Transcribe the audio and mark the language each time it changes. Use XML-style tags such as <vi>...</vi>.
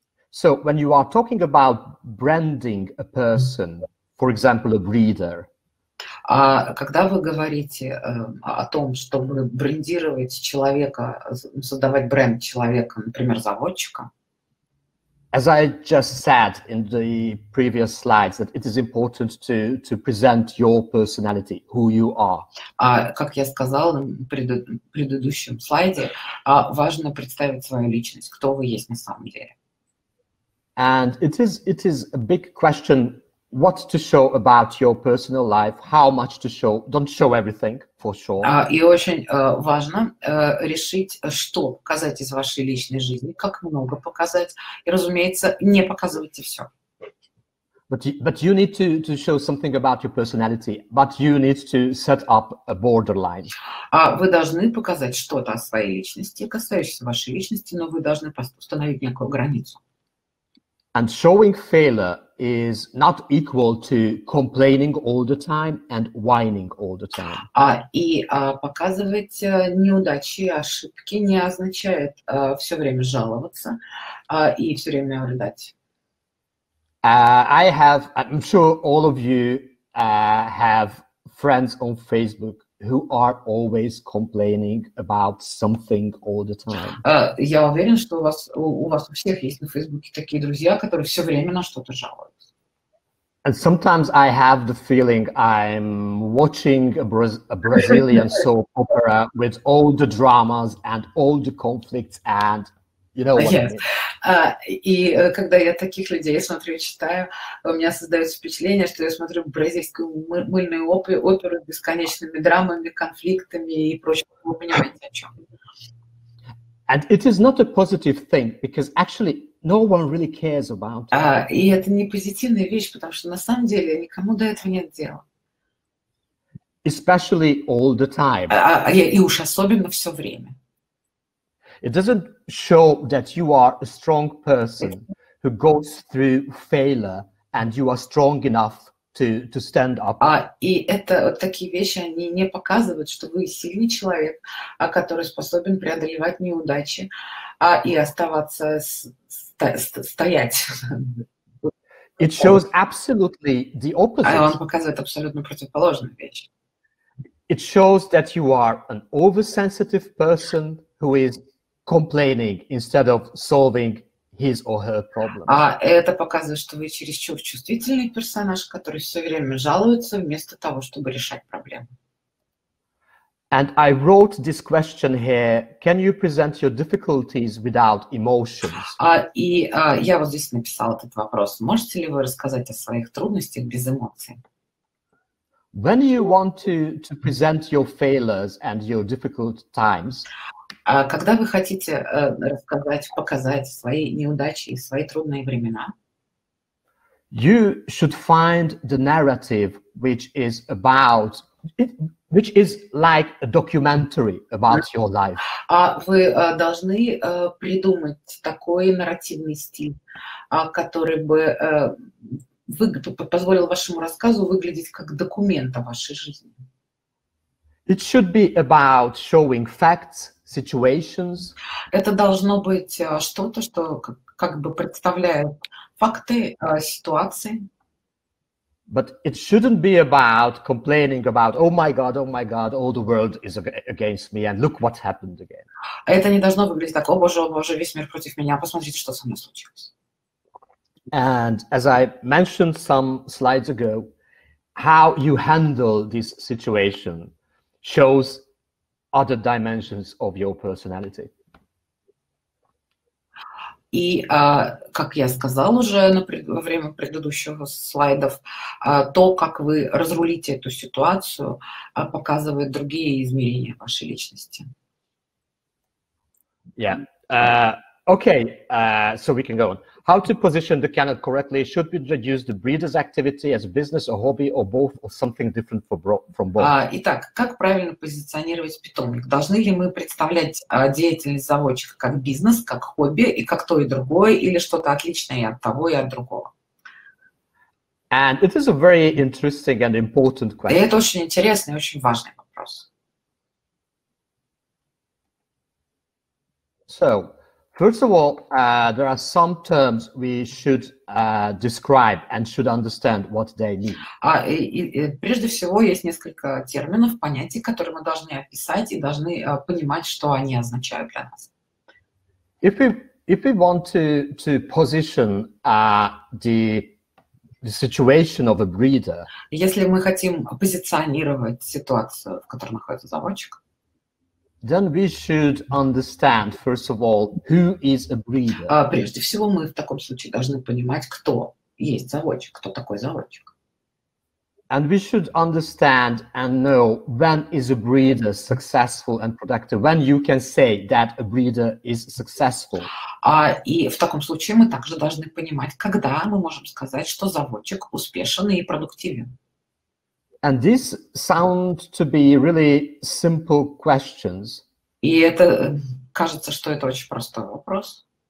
<en>So when you are talking about branding a person, for example, a breeder.</en> <ru>А когда вы говорите о том, чтобы брендировать человека, создавать бренд человека, например, заводчика?</ru> <en>As I just said in the previous slides, that it is important to present your personality, who you are.</en> <ru>Как я сказал в предыдущем слайде, важно представить свою личность, кто вы есть на самом деле.</ru> <en>And it is a big question. What to show about your personal life, how much to show, don't show everything, for sure.</en> <ru>И очень важно решить, что показать из вашей личной жизни, как много показать, и, разумеется, не показывайте все.</ru> <en>But you need to show something about your personality, but you need to set up a borderline.</en> <ru>Вы должны показать что-то о своей личности, касающейся вашей личности, но вы должны установить некую границу.</ru> <en>And showing failure is not equal to complaining all the time and whining all the time.</en> <ru>Показывать неудачи, ошибки не означает все время жаловаться и все время рыдать.</ru> <en>I'm sure all of you have friends on Facebook who are always complaining about something all the time.</en> <ru>Я уверен, что у вас у всех есть на Фейсбуке такие друзья, которые все время на что-то жалуются.</ru> <en>And sometimes I have the feeling I'm watching a Brazilian soap opera with all the dramas and all the conflicts and, you know, what. Yes.</en> <ru>Когда я таких людей смотрю, читаю, у меня создается впечатление, что я смотрю бразильскую мыльную оперу с бесконечными драмами, конфликтами и прочим. Вы понимаете, о чем?</ru> <en>And it is not a positive thing, because actually no one really cares about it.</en> <ru>И это не позитивная вещь, потому что на самом деле никому до этого нет дела.</ru> <en>Especially all the time.</en> <ru>И уж особенно все время.</ru> <en>It doesn't show that you are a strong person who goes through failure and you are strong enough to stand up.</en> <ru>А и это вот такие вещи, они не показывают, что вы сильный человек, который способен преодолевать неудачи, а и оставаться стоять.</ru> <en>It shows absolutely the opposite.</en> <ru>А он показывает абсолютно противоположную вещь.</ru> <en>It shows that you are an oversensitive person who is complaining instead of solving his or her problem.</en> <ru>А это показывает, что вы чересчур чувствительный персонаж, который все время жалуется вместо того, чтобы решать проблемы.</ru> <en>And I wrote this question here: Can you present your difficulties without emotions?</en> <ru>Я вот здесь написал этот вопрос: Можете ли вы рассказать о своих трудностях без эмоций?</ru> <en>When you want to present your failures and your difficult times,</en> <ru>когда вы хотите рассказать, показать свои неудачи и свои трудные времена,</ru> <en>you should find the narrative which is about it, which is like a documentary about your life.</en> <ru>Вы должны придумать такой нарративный стиль, который бы позволил вашему рассказу выглядеть как документ о вашей жизни.</ru> <en>It should be about showing facts, situations.</en> <ru>Это должно быть что-то, что как бы представляет факты, ситуации.</ru> <en>But it shouldn't be about complaining about, oh my God, all the world is against me, and look what happened again.</en> <ru>Это не должно выглядеть так, о боже, весь мир против меня, посмотрите, что со мной случилось.</ru> <en>And as I mentioned some slides ago, how you handle this situation shows other dimensions of your personality.</en> <ru>И как я сказал уже во время предыдущего слайдов, то, как вы разрулите эту ситуацию, показывает другие измерения вашей личности.</ru> <en>Yeah. Okay, so we can go on. How to position the canid correctly? Should we introduce the breeder's activity as a business, a hobby, or both, or something different from both?</en> <ru>Итак, как правильно позиционировать питомник? Должны ли мы представлять деятельность заводчика как бизнес, как хобби, и как то и другое, или что-то отличное от того и от другого?</ru> <en>And it is a very interesting and important question.</en> <ru>Это очень интересный и очень важный вопрос.</ru> <en>So, first of all, there are some terms we should describe and should understand what they mean.</en> <ru>Прежде всего, есть несколько терминов, понятий, которые мы должны описать и должны понимать, что они означают для нас.</ru> <en>If we want to position the situation of a breeder.</en> <ru>Если мы хотим позиционировать ситуацию, в которой находится заводчик.</ru> <en>Then we should understand, first of all, who is a breeder.</en> <ru>Прежде всего, мы в таком случае должны понимать, кто есть заводчик, кто такой заводчик.</ru> <en>And we should understand and know when is a breeder successful and productive, when you can say that a breeder is successful.</en> <ru>И в таком случае мы также должны понимать, когда мы можем сказать, что заводчик успешен и продуктивен.</ru> <en>And these sound to be really simple questions.</en> <ru>И это кажется, что это очень простой вопрос.</ru>